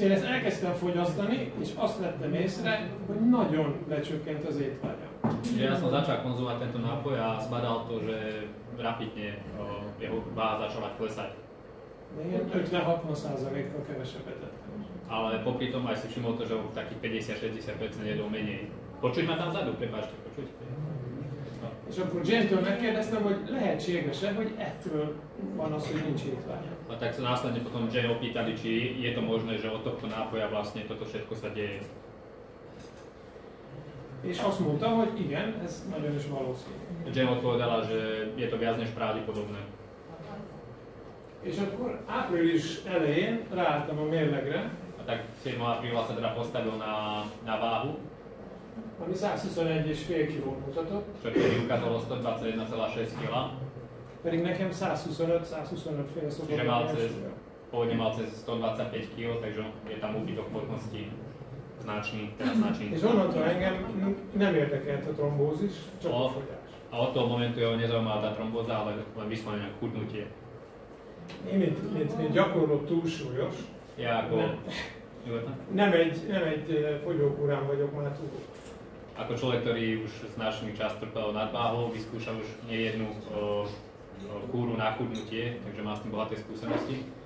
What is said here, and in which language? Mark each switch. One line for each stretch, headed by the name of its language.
Hungarian: én ezt elkezdtem fogyasztani, és azt vettem észre, hogy nagyon lecsökkent az étvágyam.
Slovak: Ja, som začal konzumovať tento nápoj a zbadal to, že rapidne jeho váha začala klesať.
Hungarian: 50-60% kevesebbet ettem.
Slovak: Ale popri tom aj si všimol to, že ho takých 50-60% jedol menej. Počuť ma tam vzadu, prepáčte, počuť.
Hungarian: És akkor Jane-től megkérdeztem, hogy lehetséges-e, hogy ettől van az, hogy nincs étvágya.
Slovak: A tak sa následne potom Jane opýtali, či je to možné, že od tohto nápoja vlastne toto všetko sa deje.
Hungarian: És azt mondta, hogy igen, ez nagyon is valószínű.
Slovak: Jane odpovedala, že je to viac než pravdepodobné.
Hungarian: És akkor április elején ráálltam a mérlegre.
Slovak: A tak 7. apríla sa teda postavil na váhu.
Hungarian: Ami 121,5 kg mutatott.
Slovak: Čo tedy ukázalo 121,6 kg.
Hungarian: Pedig nekem 125 fél szokott.
Slovak: Čiže mal cez, pôvodne mal cez 125 kg, takže je tam úbytok hmotnosti značný, teda značný.
Hungarian: És onnantól engem nem érdekelt a trombózis, csak a fogyás.
Slovak: A od toho momentu jeho nezaujímala tá trombóza, ale len vyslovene chudnutie.
Hungarian: Én mint gyakorló túlsúlyos. Ja, akkor... Nem egy fogyókúrán vagyok már túl.
Slovak: Ako človek, ktorý už značný čas trpel nadváhou, vyskúša už nejednu kúru na chudnutie, takže má s tým bohaté skúsenosti.